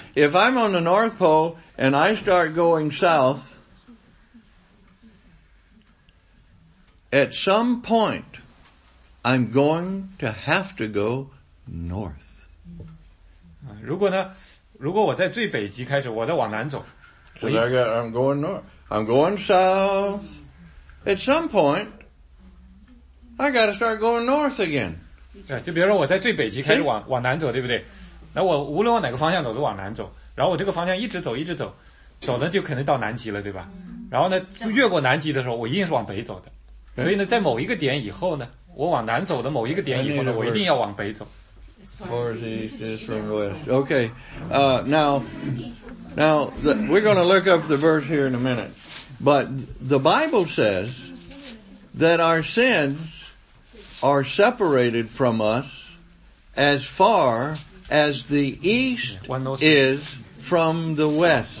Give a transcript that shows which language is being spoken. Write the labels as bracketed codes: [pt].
[en] If I'm on the North Pole and I start going south, at some point, I'm going to have to go north. [zh] 如果我在最北极开始，我再往南走。 [en] So I'm going north. I'm going south. At some point, I gotta start going north again. [zh] 对，就比如说我在最北极开始往南走，对不对？那我无论往哪个方向走都往南走，然后我这个方向一直走，走的就可能到南极了，对吧？然后呢，越过南极的时候，我一定是往北走的。所以呢，在某一个点以后呢，我往南走的某一个点以后呢，我一定要往北走。 [en] For the east from the west. Okay. Now, we're going to look up the verse here in a minute. But the Bible says that our sins are separated from us as far as the east is from the west.